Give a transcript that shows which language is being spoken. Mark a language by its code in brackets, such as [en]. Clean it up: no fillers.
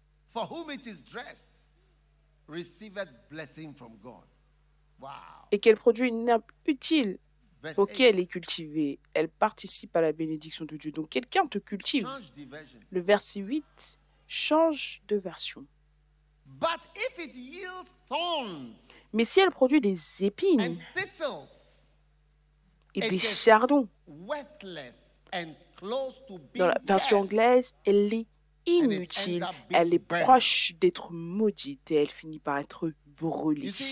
[en] for whom it is dressed, receiveth blessing from God. Wow. [fr] Et qu'elle produit une herbe utile pour qui elle est cultivée. Elle participe à la bénédiction de Dieu. Donc quelqu'un te cultive. Le verset 8, change de version. [en] But if it yields thorns, [fr] mais si elle produit des épines [en] and thistles, [fr] et des chardons, [en] worthless and close to being [fr] dans la version anglaise, elle est inutile, elle est proche d'être maudite et elle finit par être brûlée.